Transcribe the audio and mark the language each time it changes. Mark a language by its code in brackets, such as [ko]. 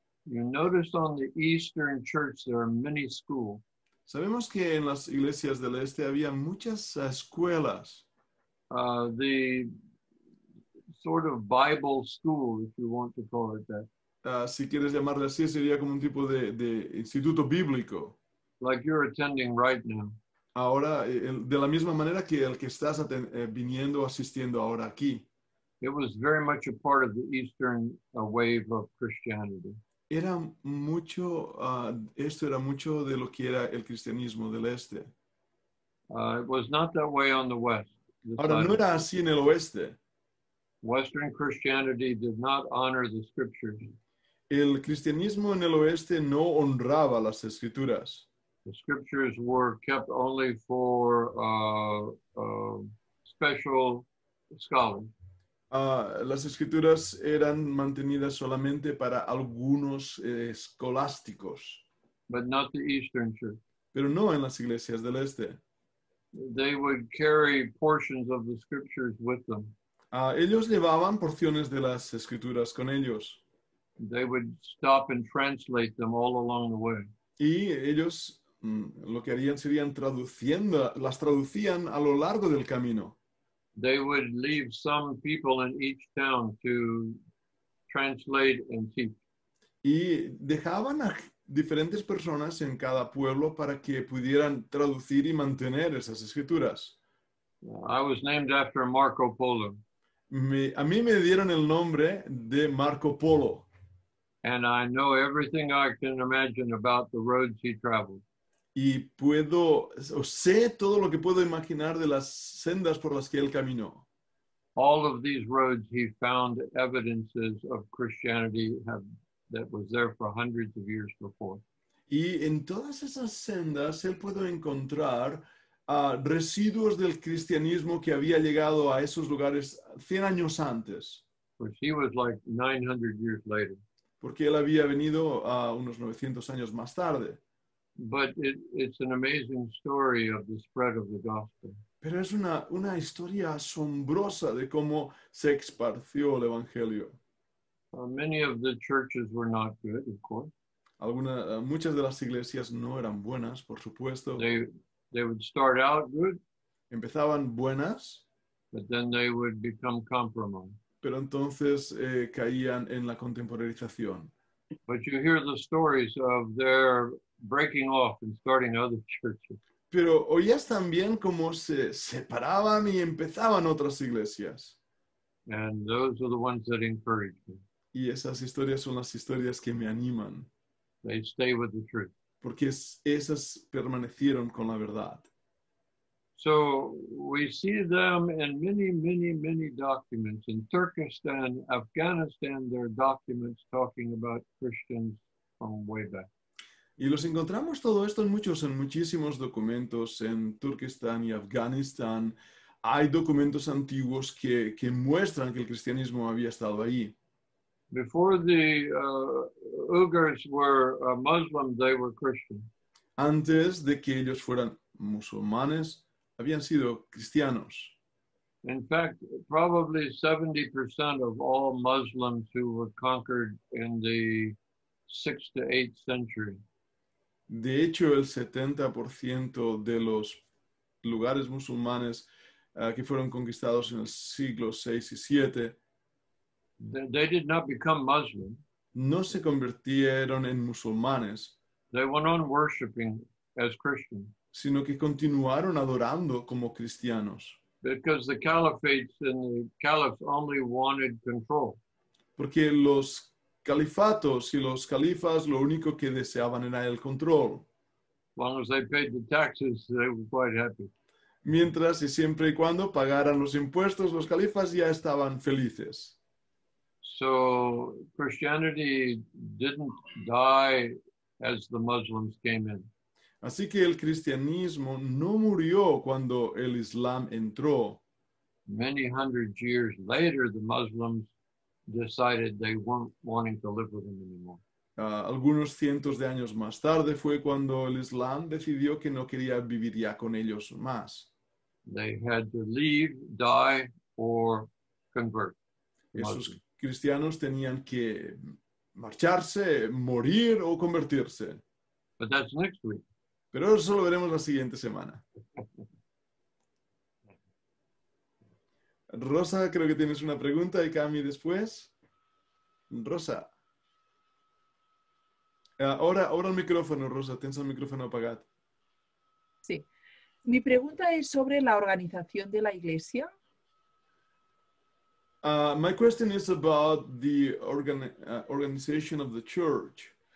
[en] You notice on the Eastern Church there are many schools. [es] Sabemos que en las iglesias del este había muchas escuelas. [en] The sort of Bible school, if you want to call it that. [es] Si quieres llamarle así, sería como un tipo de instituto bíblico. [en] Like you're attending right now. [es] Ahora, de la misma manera que el que estás viniendo o asistiendo ahora aquí. [en] It was very much a part of the Eastern wave of Christianity. [es] Era mucho, esto era mucho de lo que era el cristianismo del este. [en] It was not that way on the west. [es] Ahora, no era así en el oeste. [en] Western Christianity did not honor the scriptures. [es] El cristianismo en el oeste no honraba las escrituras. [en] The scriptures were kept only for special scholars. [es] Las escrituras eran mantenidas solamente para algunos escolásticos. [en] But not the Eastern Church. [es] Pero no en las iglesias del este. [en] They would carry portions of the scriptures with them. [es] Ellos llevaban porciones de las escrituras con ellos. [en] They would stop and translate them all along the way. [es] Y ellos lo que harían serían traduciendo, las traducían a lo largo del camino. [en] They would leave some people in each town to translate and teach. [es] Y dejaban a diferentes personas en cada pueblo para que pudieran traducir y mantener esas escrituras. [en] I was named after Marco Polo. [es] A mí me dieron el nombre de Marco Polo. [en] And I know everything I can imagine about the roads he traveled. [es] Y puedo, o sé todo lo que puedo imaginar de las sendas por las que él caminó. [en] All of these roads he found evidences of Christianity have, that was there for hundreds of years before. [es] Y en todas esas sendas él pudo encontrar residuos del cristianismo que había llegado a esos lugares 100 años antes. [en] Which he was like 900 years later. [es] Porque él había venido unos 900 años más tarde. [en] But it's an amazing story of the spread of the gospel. [es] Pero es una historia asombrosa de cómo se esparció el evangelio. [en] Many of the churches were not good, of course. [es] Muchas de las iglesias no eran buenas, por supuesto. [en] They would start out good. [es] Empezaban buenas. [en] But then they would become compromised. [es] Pero entonces caían en la contemporización. [en] But you hear the stories of their breaking off and starting other churches. [es] Pero oías también cómo se separaban y empezaban otras iglesias. [en] And those are the ones that encourage me. [es] Y esas historias son las historias que me animan. [en] They stay with the truth. [es] Porque esas permanecieron con la verdad. [en] So we see them in many, many, many documents. In Turkestan, Afghanistan, there are documents talking about Christians from way back. [es] Y los encontramos todo esto en muchísimos documentos en Turkestán y Afganistán. Hay documentos antiguos que muestran que el cristianismo había estado ahí. [en] Before the Uyghurs were Muslim, they were Christian. [es] Antes de que ellos fueran musulmanes, habían sido cristianos. [en] In fact, probably 70% of all Muslims who were conquered in the 6th to 8th century. [es] De hecho, el 70% de los lugares musulmanes que fueron conquistados en el siglo 6 y 7, [en] they did not become Muslim. [es] No se convirtieron en musulmanes. [en] They went on worshiping as Christians. [es] Sino que continuaron adorando como cristianos. [en] Because the caliphates and the caliphs only wanted control. [es] Porque los califatos y los califas lo único que deseaban era el control. [en] As long as they paid the taxes, they were quite happy. [es] Mientras y siempre y cuando pagaran los impuestos, los califas ya estaban felices. [en] So Christianity didn't die as the Muslims came in. [es] Así que el cristianismo no murió cuando el Islam entró. [en] Many hundred years later, the Muslims decided they weren't wanting to live with them anymore. [es] Algunos cientos de años más tarde fue cuando el Islam decidió que no quería vivir ya con ellos más. [en] They had to leave, die, or convert. [es] Esos cristianos tenían que marcharse, morir o convertirse. [en] But that's next week. [es] Pero eso lo veremos la siguiente semana. Rosa, creo que tienes una pregunta y Cami después. Rosa. Ahora el micrófono, Rosa. Tienes el micrófono apagado. Sí. Mi pregunta es sobre la organización de la iglesia. [en] My question is about the organization of the church.